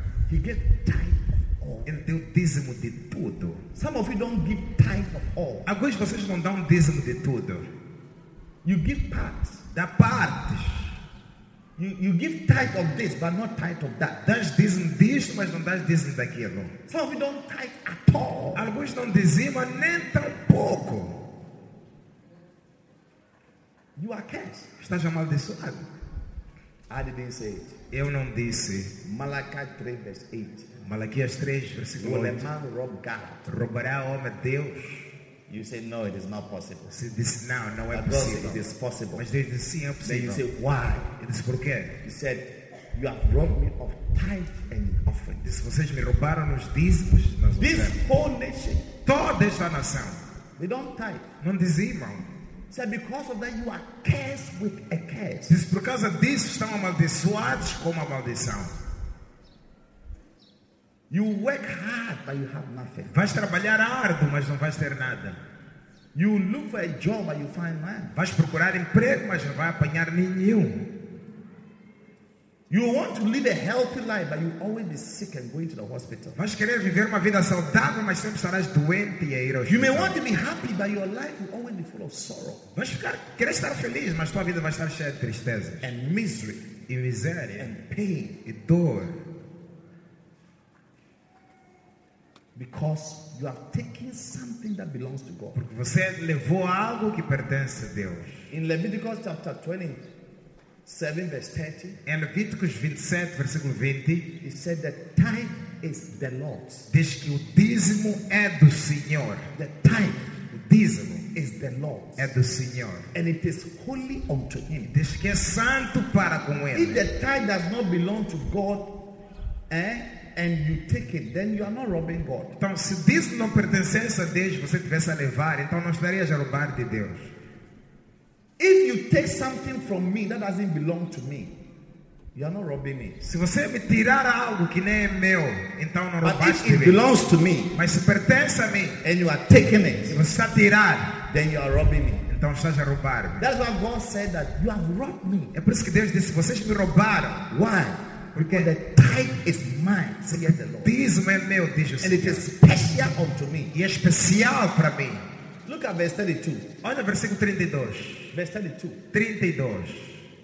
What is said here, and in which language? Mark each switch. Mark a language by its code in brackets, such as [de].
[en] He gave tithe of all. [pt] Ele deu dízimo de tudo. [en] Some of you don't give tithe of all. [pt] Alguns de vocês não dão dízimo de tudo. [en] You give parts. [pt] Da parte. [en] You give tithe of this, but not tithe of that. [pt] Dás dízimo disto, mas não dás dízimo daquilo. [en] Some of you don't tithe at all. [pt] Alguns não dizimam nem tão pouco. [en] You are cursed. [pt] Estás amaldiçoado. [en] I didn't say it. [pt] Eu não disse. [en] Malakai 3, verse 8. [pt] Malaquias 3, versículo 8. [en] Will a man rob God? [pt] Roubará o homem Deus? [en] You say no, it is not possible. [pt] Você disse não, não é possível. [en] It is possible. [pt] Mas Deus disse sim, é possível. [en] Then you say why? [pt] Ele disse por quê? [en] He said, you have robbed me of tithe and offering. [pt] Disse, vocês me roubaram os dízimos. [en] This whole nation. [pt] Toda esta nação. [en] They don't tithe. [pt] Não dizimam. [en] Said because of that you are cursed with a curse. [pt] Diz por causa disso estão amaldiçoados com uma maldição. [en] You work hard but you have nothing. [pt] Vais trabalhar árduo mas não vais ter nada. [en] You look for a job but you find none. [pt] Vais procurar emprego mas não vais apanhar nenhum. [en] You want to live a healthy life, but you always be sick and going to the hospital. [pt] Vais querer viver uma vida saudável, mas sempre estarás doente e a ir ao [en] You may want to be happy, but your life will always be full of sorrow. [pt] Vais ficar, querer estar feliz, mas tua vida vai estar cheia de tristeza. [en] And misery. [pt] E miséria. [en] And pain. [pt] E dor. [en] Because you have taken something that belongs to God. [pt] Porque você levou algo que pertence a Deus. [en] In Leviticus chapter 20:7 verse 30. [pt] Em Levíticos 27, versículo 20, [en] he said that tithe is the Lord's. [pt] Diz que o dízimo é do Senhor. [en] The tithe, [pt] o dízimo, [en] is the Lord's. [pt] É do Senhor. [en] And it is holy unto Him. [pt] Diz que é santo para com Ele. [en] If the tithe does not belong to God, and you take it, then you are not robbing God. [pt] Então, se dízimo não pertencesse a Deus, você tivesse a levar, então não estaria a roubar de Deus. [en] If you take something from me that doesn't belong to me, you are not robbing me. [pt] Se você me tirar algo que nem é meu, então não roubaste. [en] But if it belongs to me, [pt] mas se pertence a mim, [en] and you are taking it, [pt] se você tirar, [en] then you are robbing me. [pt] Então estás a roubar. [en] That's why God said that you have robbed me. [pt] É por isso que Deus disse, vocês me roubaram. [en] Why? [pt] Porque [en] the tithe is mine, saith the Lord. [pt] Dízimo é meu, diz o Senhor. [en] And it is special unto me. [pt] E é especial para mim. [en] Look at verse 32. [pt] Olha o versículo 32. [en] Verse 32. [pt] 32.